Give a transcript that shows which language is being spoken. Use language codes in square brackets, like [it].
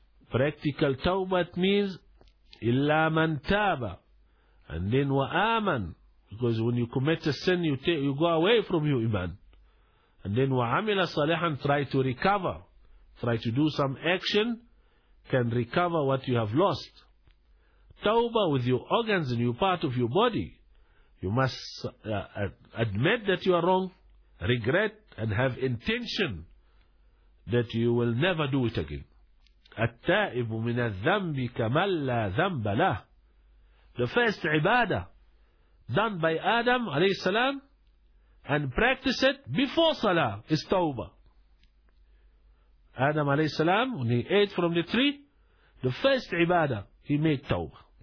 [en] Practical tawbah means illa man taba, and then wa aman, because when you commit a sin, you go away from your iman, and then wa amila salihan, try to recover, try to do some action, can recover what you have lost. Tawbah with your organs and your part of your body, you must admit that you are wrong, regret, and have intention that you will never do it again. [ar] التائب من الذنب كمن لا ذنب له. [en] The first ibadah done by Adam عليه السلام and practice it before salah is tawbah. Adam عليه السلام, when he ate from the tree, the first ibadah he made tawbah.